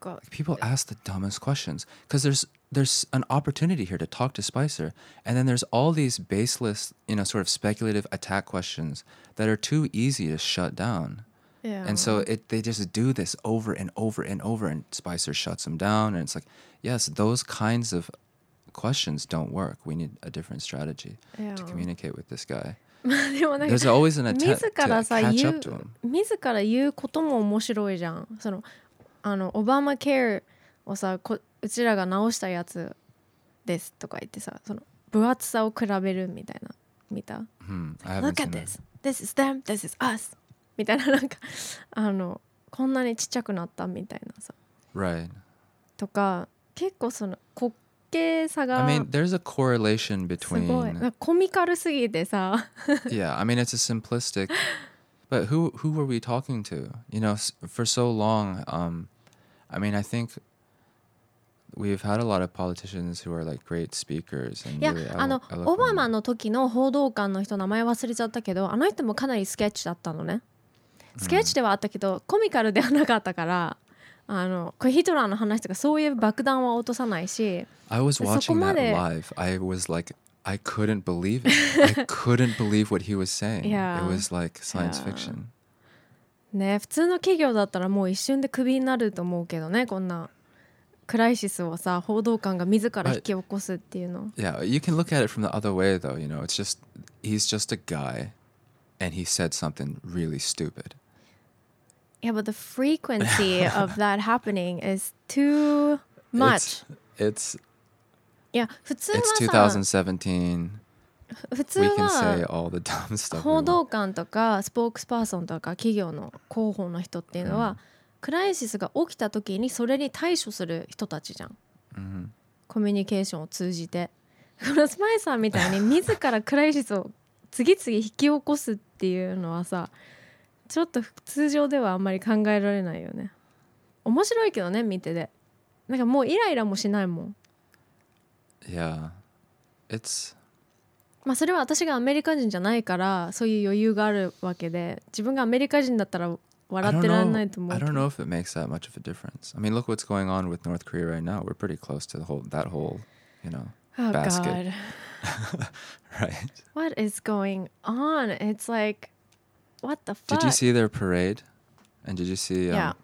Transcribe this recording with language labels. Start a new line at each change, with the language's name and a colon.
English: People ask the dumbest questions because there's an opportunity here to talk to Spicer, and then there's all these baseless, you know, sort of speculative attack questions that are too easy to shut down. Yeah. And so they just do this over and over and over, and Spicer shuts them down, and it's like, yes, those kinds of questions don't work. We need a different strategy to communicate with this guy. There's always an attempt to catch up to him.
Japanese: 自ら言うことも面白いじゃん。その、あの、オバマケアをさ、うちらが直したやつですとか言ってさ、その、分厚さを比べるみたいな、見た？
English: Look at this. This is them. This is us.
Japanese: みたいな、なんかあのこんなにちっちゃくなったみたいなさ、
English: right.
Japanese: とか結構その滑稽さが、
English: I mean there's a correlation between
Japanese: すごいなんかコミカルすぎてさ、
English: yeah, I mean it's a simplistic, but who were we talking to? You know, for so long, I mean I think we've had a lot of politicians who are like great speakers. And
Japanese: yeah, あのオバマの時の報道官の人名前忘れちゃったけど、あの人もかなりスケッチだったのね。スケッチではあったけど、mm. コミカルではなかったから、あのこれヒトラーの話とかそういう爆弾は落とさないし、
English: I was watching that live. I was like, I couldn't believe it. I couldn't believe what he was saying. Yeah. It was like science fiction.
Japanese: ね、普通の企業だったらもう一瞬でクビになると思うけどね、こんなクライシスをさ、報道官が自ら引き起こすっていうの。
English: But, yeah, you can look at it from the other way though. You know, it's just, he's just a guy. And he said something really stupid. Yeah, but the frequency of that happening is too much. It's 2017. We can say all the dumb stuff.
Japanese: 報道官とかスポークスパーソンとか企業の広報の人っていうのは、クライシスが起きた時にそれに対処する人たちじゃん。コミュニケーションを通じて。このスパイサーみたいに自らクライシスを次々引き起こすっていうのはさ、ちょっと普通常ではあんまり考えられないよね。面白いけどね、見てて。なんかもうイライラもしないもん。
English: Yeah. It's...
Japanese: まあそれは私がアメリカ人じゃないから、そういう余裕があるわけで、自分がアメリカ人だったら笑ってられないと思う。
English: I don't know if it makes that much of a difference. I mean, look what's going on with North Korea right now. We're pretty close to the whole, that whole, you know, basket. Oh, God. Right. What is going on? It's like, what the fuck? Did you see their parade? And did you see yeah.